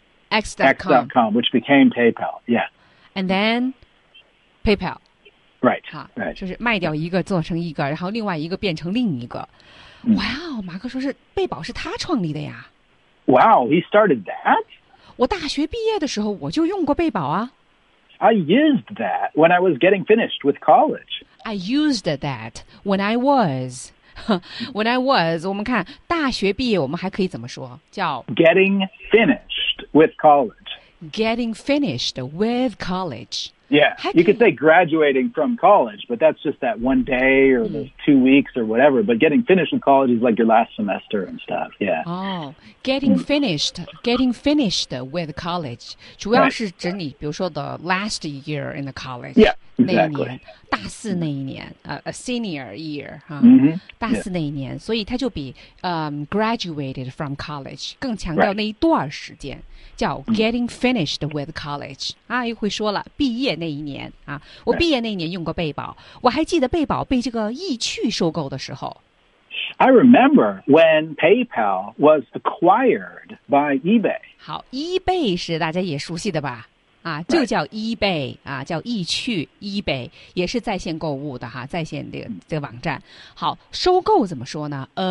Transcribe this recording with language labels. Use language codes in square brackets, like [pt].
[en] X.com, which became PayPal, yeah. And then PayPal. Right, [zh] 好 [en] right. [zh] 就是卖掉一个做成一个然后另外一个变成另一个。 Wow, 马克说是贝宝是他创立的呀。 [en] Wow, he started that? [zh] 我大学毕业的时候我就用过贝宝啊。 [en] I used that when I was getting finished with college. I used that when I was. when I was, [zh] 我们看大学毕业我们还可以怎么说叫 [en] Getting finished with college. Getting finished with college. Yeah, you could say graduating from college, but that's just that one day or those 2 weeks or whatever. But getting finished with college is like your last semester and stuff, yeah. Oh, getting finished with college. [zh] 主要是指你比如说 [en] the last year in the college. Yeah, exactly. [zh] 那一年大四那一年 [en] a senior year,、 [zh] 大四那一年、 [en] yeah. [zh] 所以他就比、 [en] graduated from college [zh] 更强调那一段时间、 [en] right. 叫 getting finished with college. [zh] 啊，又会说了毕业那一年啊，我毕业那一年用过贝宝，我还记得贝宝被这个易趣收购的时候。 [en] I remember when PayPal was acquired by eBay. [zh] 好 ，eBay 是大家也熟悉的吧？啊，就叫 eBay 啊，叫易趣 eBay， 也是在线购物的哈，在线的这个网站。好，收购怎么说呢？